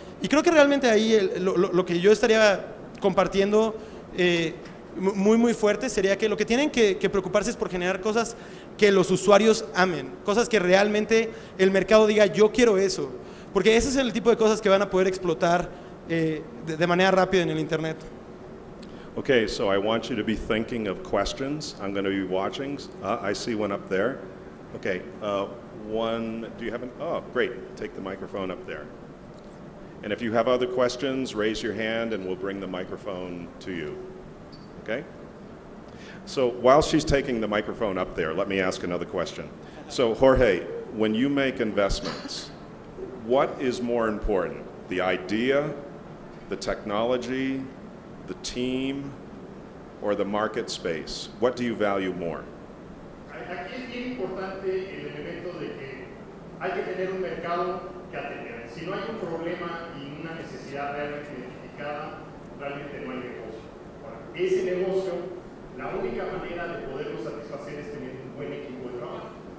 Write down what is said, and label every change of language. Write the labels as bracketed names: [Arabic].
[Spanish] Y creo que realmente ahí lo que yo estaría compartiendo muy muy fuerte sería que lo que tienen que preocuparse es por generar cosas que los usuarios amen, cosas que realmente el mercado diga, yo quiero eso, porque ese es el tipo de cosas que van a poder explotar de manera rápida en el internet. [English] Okay, so I want you to be thinking of questions. I'm going to be watching. I see one up there. Okay, one, do you have oh, great, take the microphone up there. And if you have other questions, raise your hand and we'll bring the microphone to you. Okay. So while she's taking the microphone up there, let me ask another question. So Jorge, when you make investments, what is more important? The idea, the technology, the team, or the market space? What do you value more? [Spanish] Aquí es bien importante el elemento de que hay que tener un mercado que atender. Si no hay un problema y una necesidad realmente identificada, realmente no hay negocio. Ese negocio, la única manera de poderlo satisfacer es tener un buen equipo de trabajo.